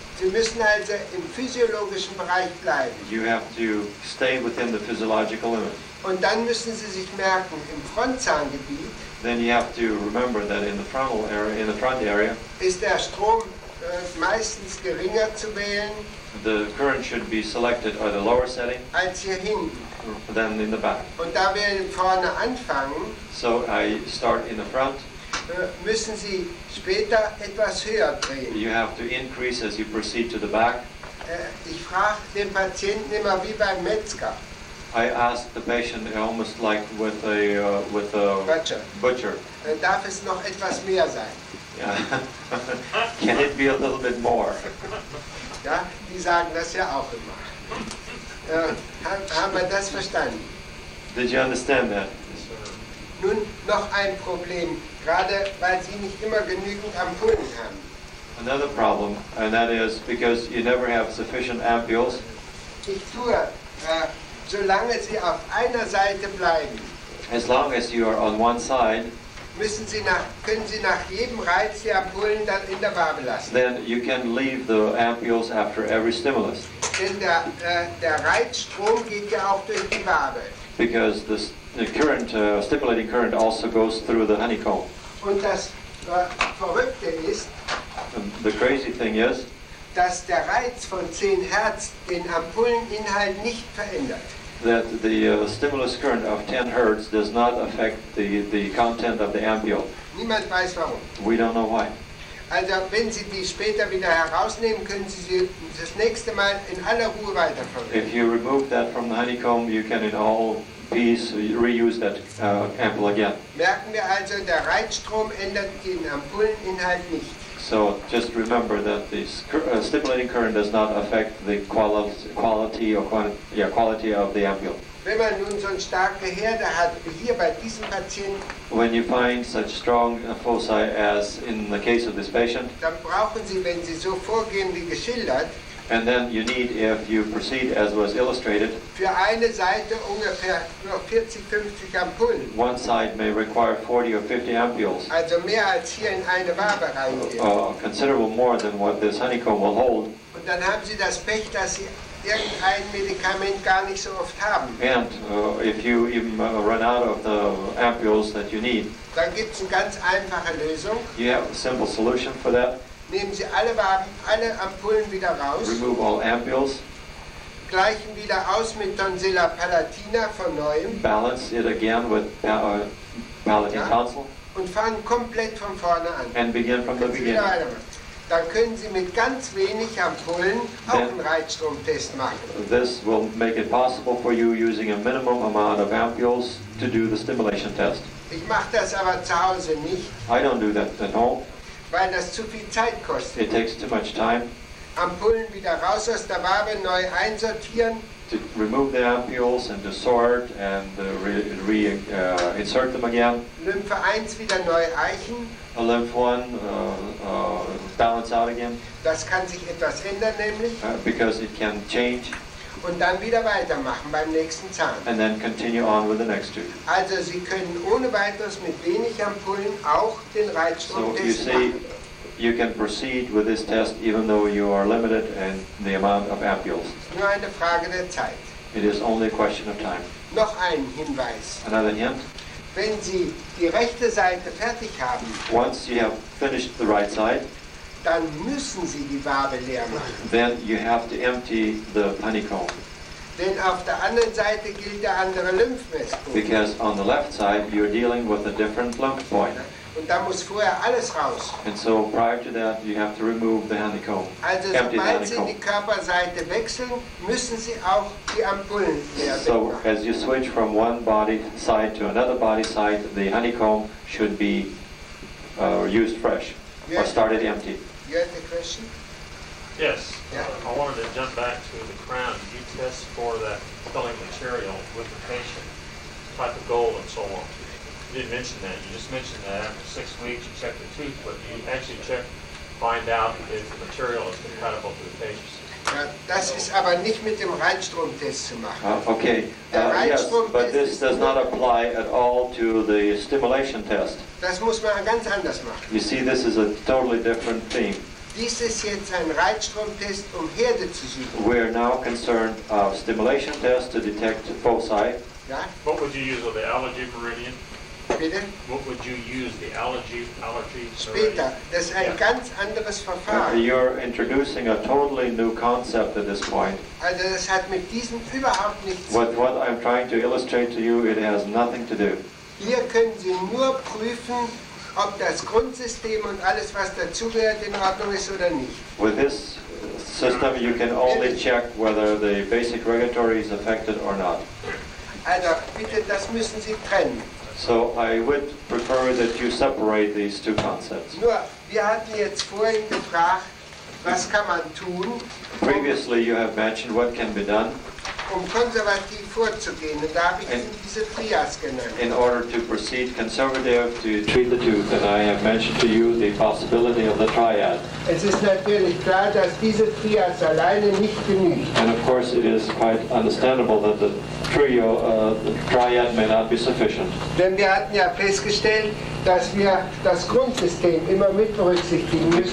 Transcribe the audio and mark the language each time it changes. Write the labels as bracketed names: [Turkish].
[German] Sie müssen also im physiologischen Bereich bleiben. [English] You have to stay within the physiological limit. [German] Und dann müssen Sie sich merken, im Frontzahngebiet, [English] then you have to remember that in the frontal area, in the front area, [German] ist der Strom meistens geringer zu wählen, [English] the current should be selected at a lower setting, [German] als hier hinten, [English] than in the back. [German] Und da wir vorne anfangen, [English] so I start in the front, [German] müssen Sie später etwas höher drehen. [English] You have to increase as you proceed to the back. [German] Ich frage den Patienten immer wie beim Metzger. [English] I asked the patient almost like with a butcher. [German] Darf es noch etwas mehr sein? [English] Yeah. Can it be a little bit more? [German] Ja, die sagen das ja auch immer. Haben wir das verstanden? [English] Did you understand that? [German] Nun noch ein Problem, gerade weil Sie nicht immer genügend Ampullen haben. [English] Another problem, and that is because you never have sufficient ampules. [German] Ich tue. Solange Sie auf einer Seite bleiben, [English] as long as you are on one side, [German] können Sie nach jedem Reiz die Ampullen dann in der Wabe lassen. [English] Then you can leave the ampules after every stimulus. [German] Denn der Reizstrom geht ja auch durch die Wabe. [English] Because the current, stimulating current also goes through the honeycomb. [German] Und das Verrückte ist, [English] the crazy thing is, [German] dass der Reiz von 10 Hertz den Ampulleninhalt nicht verändert. [English] That the stimulus current of 10 Hertz does not affect the content of the ampule. [German] Niemand weiß warum. [English] We don't know why. [German] Also wenn Sie die später wieder herausnehmen, können Sie sie das nächste Mal in aller Ruhe weiterverwenden. [English] If you remove that from the honeycomb, you can in all peace reuse that ampule again. [German] Merken wir also, der Reizstrom ändert den Ampulleninhalt nicht. [English] So just remember that the stimulating current does not affect the quality or quality of the ampule. [German] Wenn man nun so ein starke Herde hat wie hier bei diesem Patienten, [English] when you find such strong foci as in the case of this patient, [German] dann brauchen Sie, wenn Sie so vorgehen wie geschildert, [English] and then you need, if you proceed as was illustrated, [German] für eine Seite ungefähr noch 40-50 Ampullen. [English] One side may require 40 or 50 ampules. [German] Also mehr als hier in eine Wabe reingehen. [English] Considerable more than what this honeycomb will hold. [German] Und dann haben Sie das Pech, dass Sie irgendein Medikament gar nicht so oft haben. [English] And if you even run out of the ampules that you need, [German] dann gibt's eine ganz einfache Lösung. [English] You have a simple solution for that. [German] Nehmen Sie alle Ampullen wieder raus. [English] Remove all ampules. [German] Gleichen wieder aus mit Tonsilla Palatina von neuem. [English] Balance it again with Palatin Tonsil. [German] Und fangen komplett von vorne an. [English] And begin from the beginning. [German] Dann können Sie mit ganz wenig Ampullen auch einen Reizstromtest machen. [English] This will make it possible for you using a minimum amount of ampules to do the stimulation test. [German] Ich mache das aber zu Hause nicht. [English] I don't do that at home. [German] Weil das zu viel Zeit kostet. [English] It takes too much time. [German] Ampullen wieder raus aus der Wabe, neu einsortieren. [English] To remove the ampules and to sort and reinsert them again. [German] Lymphe 1 wieder neu eichen. [English] A lymph 1 balance out again. [German] Das kann sich etwas ändern, nämlich. [English] Because it can change. [German] Und dann wieder weitermachen beim nächsten Zahn. [English] And then continue on with the next tooth. [German] Also Sie können ohne weiteres mit wenig Ampullen auch den Reizstromtest machen. [English] So you see, you can proceed with this test even though you are limited in the amount of ampules. [German] Nur eine Frage der Zeit. [English] It is only a question of time. [German] Noch ein Hinweis. [English] Another hint. [German] Wenn Sie die rechte Seite fertig haben, [English] once you have finished the right side, [German] dann müssen Sie die Wabe leer machen. [English] Then you have to empty the honeycomb. [German] Denn auf der anderen Seite gilt der andere Lymphmesspunkt. [English] Because on the left side you're dealing with a different lymph point. [German] Und da muss vorher alles raus. [English] And so prior to that you have to remove the honeycomb. [German] Also sobald Sie die Körperseite wechseln, müssen Sie auch die Ampullen leer machen. [English] So as you switch from one body side to another body side, the honeycomb should be used fresh. Or started empty. You had the question? Yes. Yeah. I wanted to jump back to the crown. You test for that filling material with the patient, type of gold and so on. You didn't mention that. You just mentioned that after 6 weeks you check the tooth, but you actually check, find out if the material is compatible to the patient. [German] Ja, das ist aber nicht mit dem Reizstromtest zu machen. [English] Okay. Yes, but this does not apply at all to the stimulation test. [German] Das muss man ganz anders machen. [English] You see, this is a totally different thing. [German] Dies ist jetzt ein Reizstromtest, um Herde zu suchen. [English] We are now concerned of stimulation test to detect foci. [German] Ja. [English] What would you use with the allergy meridian? [German] Bitte? [English] What would you use the allergy? [German] Später. Das ist ein ganz anderes Verfahren. [English] You're introducing a totally new concept at this point. [German] Also das hat mit diesem überhaupt nichts. [English] What I'm trying to illustrate to you, it has nothing to do. [German] Hier können Sie nur prüfen, ob das Grundsystem und alles, was dazugehört, in Ordnung ist oder nicht. [English] With this system, you can only check whether the basic regulatory is affected or not. [German] Also bitte, das müssen Sie trennen. [English] So I would prefer that you separate these two concepts. [German] Nur, wir hatten jetzt vorhin gefragt, was kann man tun? [English] Previously you have mentioned what can be done. [German] Um konservativ vorzugehen, und da habe ich Ihnen diese Trias genannt. [English] In order to proceed conservative to treat the tooth, and I have mentioned to you the possibility of the triad. [German] Es ist natürlich klar, dass diese Trias alleine nicht genügt. [English] And of course it is quite understandable that the triad may not be sufficient. [German] Denn wir hatten ja festgestellt, dass wir das Grundsystem immer mit berücksichtigen müssen.